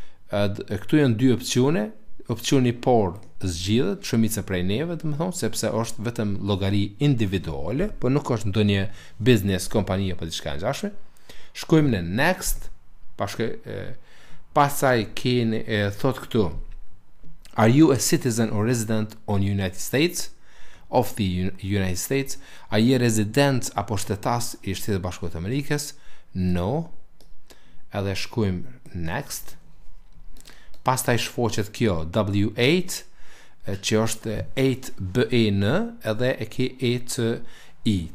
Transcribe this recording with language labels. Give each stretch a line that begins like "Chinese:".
Albanian: Këtu janë dy opsione. Opsioni I parë zgjidhet shumica prej neve, domthon sepse është vetëm llogari individuale, po nuk është ndonjë business kompani apo diçka ngjashme. Shkojmë në next, pastaj keni thot këtu.
English: Are you a citizen or resident on United States? Of the United States?
Albanian: A je rezident apo shtetas I Shtetit të Bashkuar të Amerikës? No, edhe shkojmë next, pastaj shfoqet kjo W8, që është 8BN, edhe e ki 8I.